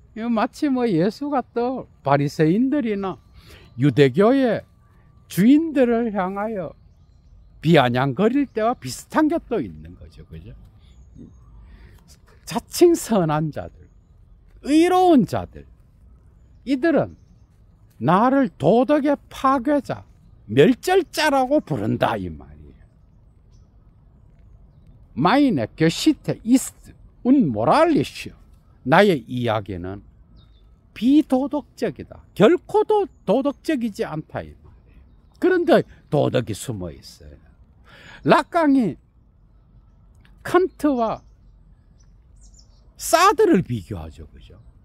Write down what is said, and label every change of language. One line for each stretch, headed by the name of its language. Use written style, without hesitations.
Korean: 마치 뭐 예수가 또 바리새인들이나 유대교의 주인들을 향하여 비아냥거릴 때와 비슷한 게 또 있는 거죠, 그죠? 자칭 선한 자들, 의로운 자들, 이들은 나를 도덕의 파괴자, 멸절자라고 부른다, 이 말이에요.
German: Meine Geschichte ist unmoralisch.
Korean: 나의 이야기는 비도덕적이다. 결코도 도덕적이지 않다, 이 말이에요. 그런데 도덕이 숨어 있어요. 락강이 칸트와 사드를 비교하죠, 그죠?